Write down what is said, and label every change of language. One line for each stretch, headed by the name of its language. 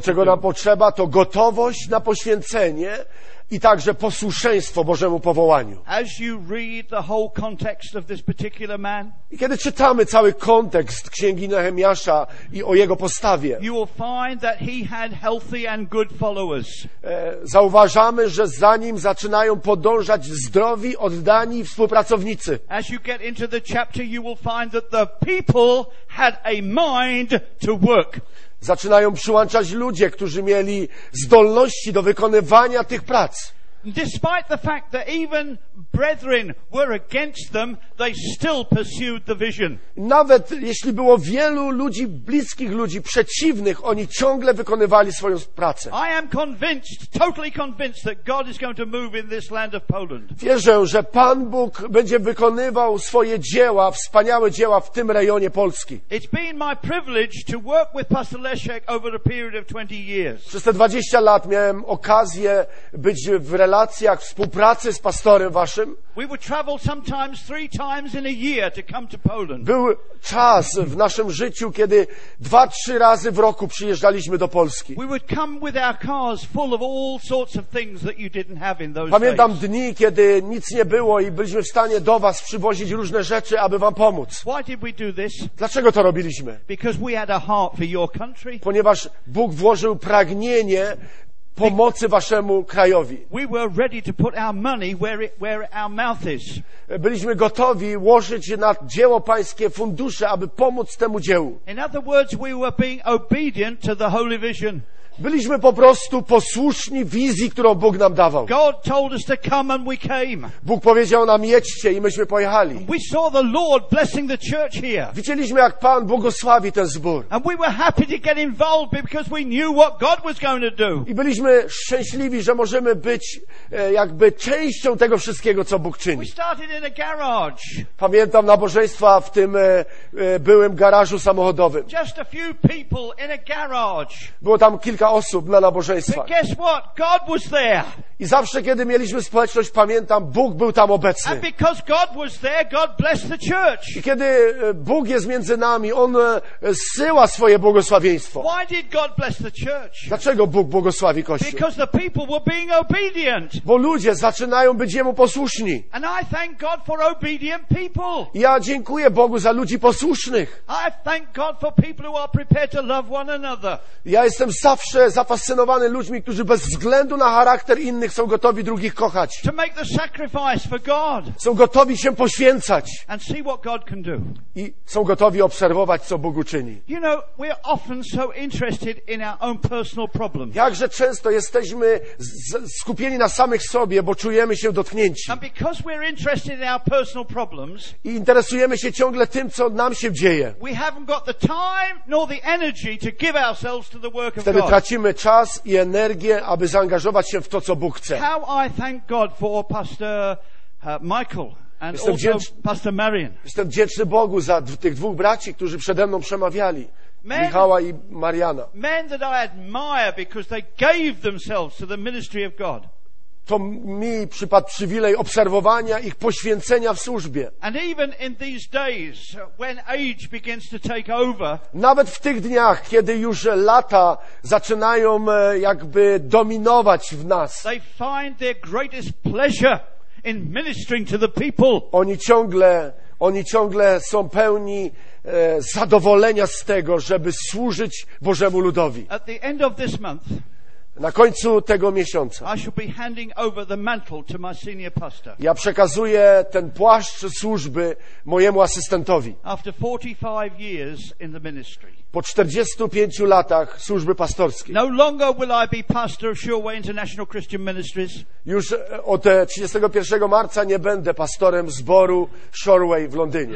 Polish: To czego nam potrzeba, to gotowość na poświęcenie i także posłuszeństwo Bożemu powołaniu.
English: As you read the whole context of this particular man,
Polish: i kiedy czytamy cały kontekst Księgi Nehemiasza i o jego postawie,
English: you will find that he had healthy and good followers.
Polish: Zauważamy, że za nim zaczynają podążać zdrowi, oddani współpracownicy.
English: As you get into the chapter, you will find that the people had a mind to work.
Polish: Zaczynają przyłączać ludzie, którzy mieli zdolności do wykonywania tych prac.
English: Despite the fact that even brethren were against them, they still pursued the vision.
Polish: Nawet jeśli było wielu ludzi, bliskich ludzi, przeciwnych, oni ciągle wykonywali swoją pracę.
English: I am convinced, totally convinced that God is going to move in this land of Poland.
Polish: Wierzę, że Pan Bóg będzie wykonywał swoje dzieła, wspaniałe dzieła w tym rejonie Polski.
English: It's been my privilege to work with Pastor Leszek over a period of 20 years.
Polish: Przez te 20 lat miałem okazję być w relacjach, współpracy z pastorem waszym.
English: We would travel sometimes three times in a year to come to Poland.
Polish: Był czas w naszym życiu, kiedy 2-3 razy w roku przyjeżdżaliśmy do Polski.
English: We would come with our cars full of all sorts of things that you didn't have in those days.
Polish: Pamiętam dni, kiedy nic nie było i byliśmy w stanie do was przywozić różne rzeczy, aby wam pomóc.
English: Why did we do this?
Polish: Dlaczego to robiliśmy?
English: Because we had a heart for your country.
Polish: Ponieważ Bóg włożył pragnienie pomocy waszemu krajowi.
English: We were ready to put our money where our mouth is.
Polish: Byliśmy gotowi włożyć na dzieło pańskie fundusze, aby pomóc temu dziełu.
English: In other words, we were being obedient to the holy vision.
Polish: Byliśmy po prostu posłuszni wizji, którą Bóg nam dawał.
English: God told us to come and we came.
Polish: Bóg powiedział nam, jedźcie i myśmy pojechali.
English: We saw the Lord blessing the church here.
Polish: Widzieliśmy, jak Pan błogosławi ten zbór.
English: And we were happy to get involved because we knew what God was going to do.
Polish: I byliśmy szczęśliwi, że możemy być jakby częścią tego wszystkiego, co Bóg czyni.
English: We started in a garage.
Polish: Pamiętam nabożeństwa w tym byłym garażu samochodowym.
English: Just a few people in a garage.
Polish: Było tam kilka osób na nabożeństwach.
English: But guess what? God was there.
Polish: I zawsze, kiedy mieliśmy społeczność, pamiętam, Bóg był tam obecny.
English: And because God was there, God blessed the church.
Polish: I kiedy Bóg jest między nami, On zsyła swoje błogosławieństwo.
English: Why did God bless the church?
Polish: Dlaczego Bóg błogosławi Kościół?
English: Because the people were being obedient.
Polish: Bo ludzie zaczynają być Jemu posłuszni.
English: And I thank God for obedient people.
Polish: Ja dziękuję Bogu za ludzi posłusznych.
English: I thank God for people who are prepared to love one another.
Polish: Ja jestem zawsze zafascynowany ludźmi, którzy bez względu na charakter innych są gotowi drugich kochać.
English: To make the sacrifice for God.
Polish: Są gotowi się poświęcać.
English: And see what God can do.
Polish: I są gotowi obserwować, co Bóg czyni.
English: You know, we are often so interested in our own personal problems.
Polish: Jakże często jesteśmy skupieni na samych sobie, bo czujemy się dotknięci.
English: And because we're interested in our personal problems,
Polish: i interesujemy się ciągle tym, co nam się dzieje,
English: we haven't got the time nor the energy to give ourselves to the work of God.
Polish: Wtedy tracimy czas i energię, aby zaangażować się w to, co Bóg chce.
English: How I thank God for Pastor Michael and also Pastor Marian.
Polish: Jestem wdzięczny Bogu za tych dwóch braci, którzy przede mną przemawiali, men, Michała i Mariana.
English: Men that I admire because they gave themselves to the ministry of God.
Polish: To mi przypadł przywilej obserwowania ich poświęcenia w służbie.
English: And even in these days, when age begins to take over,
Polish: nawet w tych dniach, kiedy już lata zaczynają jakby dominować w nas,
English: they find their greatest pleasure in ministering to the people.
Polish: Oni ciągle Oni ciągle są pełni zadowolenia z tego, żeby służyć Bożemu ludowi.
English: At the end of this month,
Polish: na końcu tego miesiąca
English: I shall be handing over the mantle to my senior pastor.
Polish: Ja przekazuję ten płaszcz służby mojemu asystentowi.
English: After 45 years in the ministry.
Polish: Po 45 latach służby pastorskiej.
English: No longer will I be pastor of Sureway International Christian Ministries.
Polish: Już od 31 marca nie będę pastorem zboru Shoreway w Londynie.